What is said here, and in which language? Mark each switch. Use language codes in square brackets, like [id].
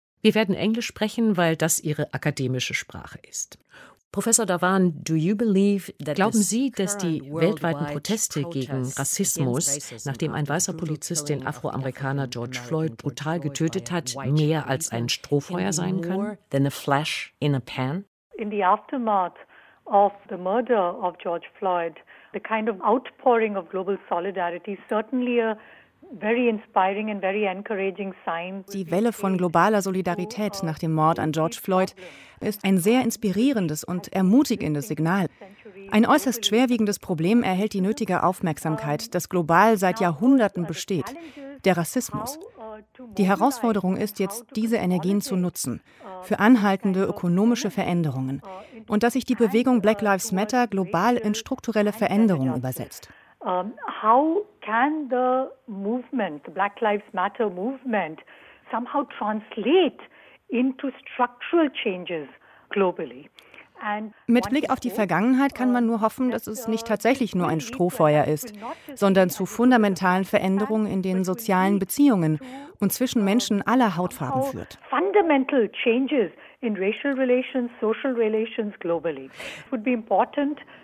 [de] Wir werden Englisch sprechen, weil das ihre akademische Sprache ist. Professor Dhawan, glauben Sie, dass die weltweiten Proteste gegen Rassismus, nachdem ein weißer Polizist den Afroamerikaner George Floyd brutal getötet hat, mehr als ein Strohfeuer sein können? [en] In the aftermath of the murder of George Floyd, the kind of outpouring of global solidarity certainly a very inspiring and very encouraging sign. [de] Die Welle von globaler Solidarität nach dem Mord an George Floyd ist ein sehr inspirierendes und ermutigendes Signal. Ein äußerst schwerwiegendes Problem erhält die nötige Aufmerksamkeit, das global seit Jahrhunderten besteht: der Rassismus. Die Herausforderung ist jetzt, diese Energien zu nutzen für anhaltende ökonomische Veränderungen und dass sich die Bewegung Black Lives Matter global in strukturelle Veränderungen übersetzt. [en] How can the movement, the Black Lives Matter movement, somehow translate into structural changes globally? [de] Mit Blick auf die Vergangenheit kann man nur hoffen, dass es nicht tatsächlich nur ein Strohfeuer ist, sondern zu fundamentalen Veränderungen in den sozialen Beziehungen und zwischen Menschen aller Hautfarben führt. [en] Fundamental changes in racial relations, social relations globally would be important.